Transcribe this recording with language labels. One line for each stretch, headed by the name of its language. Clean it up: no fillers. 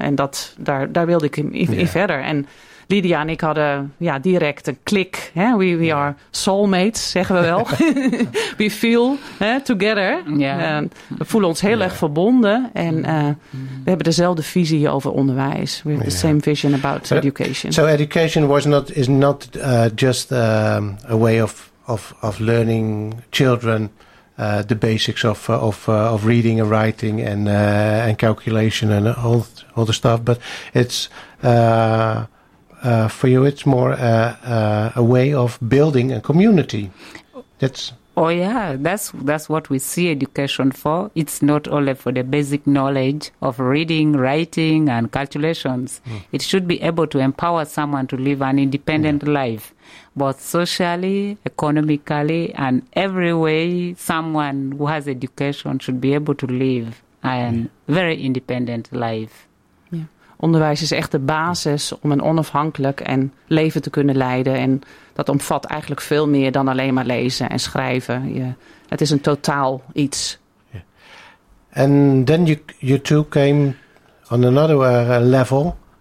Dutch: En dat daar wilde ik in verder. En Lydia en ik hadden direct een klik.
English: Hè? We are soulmates,
Dutch: zeggen we wel.
English: We feel together. Yeah.
Dutch: We voelen ons heel erg verbonden. En we hebben dezelfde visie over onderwijs.
English: We have the same vision about education. So education is not just a way of learning children the basics of reading and writing and calculation and all the stuff, but it's for you it's more a way of building a community. That's what we see education for. It's not only for the basic knowledge of reading, writing and calculations. It should be able to empower someone to live an independent life, both socially, economically, and every way. Someone who has education should be able to live a very independent life.
Dutch: Ja. Onderwijs is echt de basis om een onafhankelijk en leven te kunnen leiden. En dat omvat eigenlijk veel meer dan alleen maar lezen en schrijven. Het is een totaal iets. En dan
English: you two came on another level.